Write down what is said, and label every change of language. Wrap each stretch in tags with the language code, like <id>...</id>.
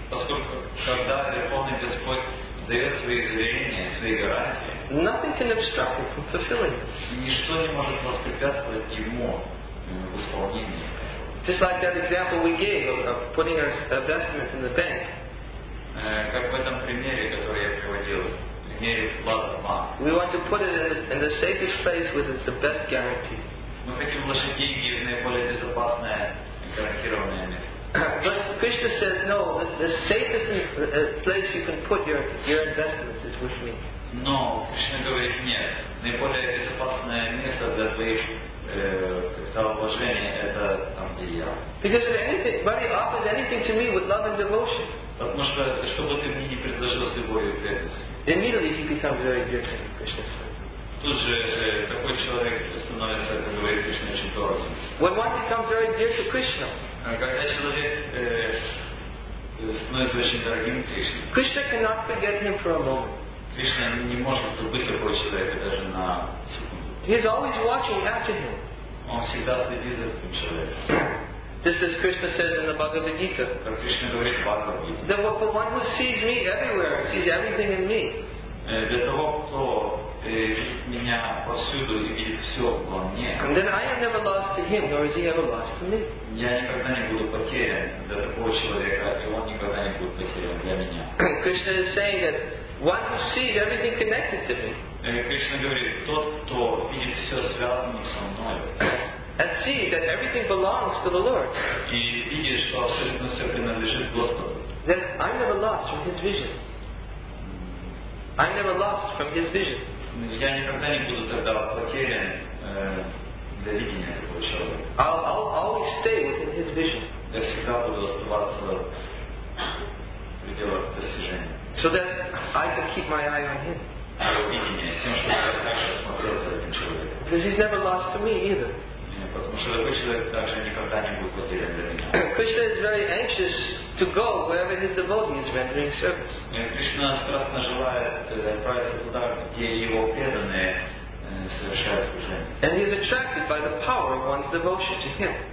<ru>Поскольку когда Верховный Господь дает свои заверения, свои гарантии.</ru> <en>Nothing can obstruct Him from fulfilling.</en> <ru>Ничто не может воспрепятствовать Ему в исполнении.</ru> <en>Just like that example we gave of putting our investment in the bank.</en> <ru>Как в этом примере, который я приводил, в мире вклада в банк.</ru> <en>We want to put it in the safest place with the best guarantee.</en> <ru>Мы хотим вложить деньги в наиболее безопасное и гарантированное место.</ru> <en>But Krishna says, no, the safest place you can put your investments is with me.</en> <ru>Но Кришна говорит, нет, наиболее безопасное место для твоих вложений это там, где я.</ru> <en>Because if anything, money offers anything to me with love and devotion.</en> <ru>Потому что, что бы ты мне не предложил с любовью и преданностью.</ru> <en>Immediately he becomes very dear to me, Krishna says.</en> <ru>Тут же такой человек становится, как говорит Кришна, очень дорогим.</ru> <en>When one becomes very dear to Krishna.</en> <ru>Когда человек становится очень дорогим Кришне.</ru> <en>Krishna cannot forget him for a moment.</en> <ru>Кришна не может забыть такого человека даже на секунду.</ru> <en>He is always watching after him.</en> <ru>Он всегда следит за этим человеком.</ru> <en>This is Krishna said in the Bhagavad Gita.</en> <ru>Krishna говорит в Бхагавад Гите.</ru> <en>That for one who sees me everywhere, sees everything in me.</en> <ru>Для того, кто видит меня повсюду и видит все во мне.</ru> <en>And then I am never lost to him, nor is he ever lost to me.</en> <ru>Я никогда не буду потерян для такого человека, и он никогда не будет потерян для меня.</ru> <en>Krishna is saying that one who sees everything connected to me.</en> <ru>Krishna говорит, тот, кто видит все связанное со мной.</ru> <en>And see that everything belongs to the Lord.</en> <ru>И видишь, что абсолютно все принадлежит Господу.</ru> <en>Then I'm never lost from His vision. I'm never lost from His vision.</en> <ru>Я никогда не буду тогда потерян для видения этого человека.</ru> <en>I'll always stay within His vision.</en> <ru>Я всегда буду оставаться в пределах достижения.</ru> <en>So that I can keep my eye on Him.</en> <ru>Его видение, всем, что я также смотрел за этим человеком.</ru> <en>Because He's never lost to me either.</en> <ru>Потому что такой человек также никогда не будет потерян для меня.</ru> <en>Krishna is very anxious to go wherever his devotee is rendering service.</en> <ru>Кришна страстно желает отправиться туда, где его преданные совершают служение.</ru> <en>And he is attracted by the power of one's devotion to him.</en>